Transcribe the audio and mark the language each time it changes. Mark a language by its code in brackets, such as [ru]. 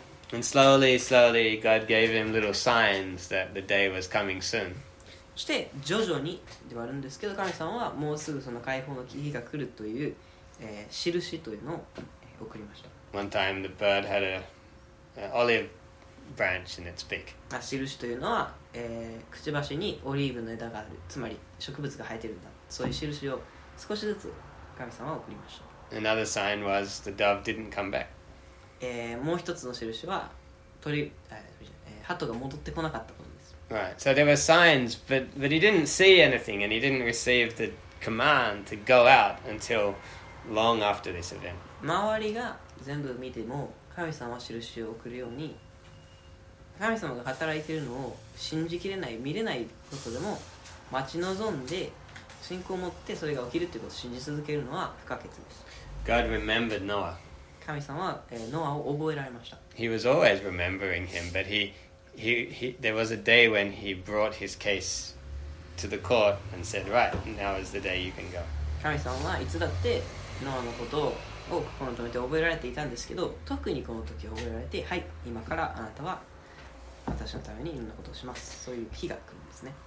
[en] And slowly, slowly, God gave him little signs that the day was coming soon. [ja] そして徐々にではあるんですけど、神様はもうすぐその解放の日が来るという、印というのを送りました。 [en] One time the bird had an olive branch in its beak. [ja] あ、印というのは、くちばしにオリーブの枝がある。つまり植物が生えてるんだ。そういう印を少しずつ神様は送りました。 [en] Another sign was the dove didn't come back. [ja] もう一つの印は鳩が戻ってこなかったことです。 [en] Right. So there were signs, but he didn't see anything and he didn't receive the command to go out until long after this event. [ja] 周りが全部見ても神様は印を送るように神様が働いているのを信じきれない見れないことでも待ち望んで信仰を持ってそれが起きるということを信じ続けるのは不可欠です。 [en] God remembered Noah. [ja] 神様は、ノアを覚えられました。 [en] He was always remembering him, but there was a day when he brought his case to the court and said, right, now is the day you can go. [ja] 神様はいつだってノアのことを心に留めて覚えられていたんですけど、特にこの時覚えられて、はい、今からあなたは私のためにいろんなことをします、そういう日が来るんですね。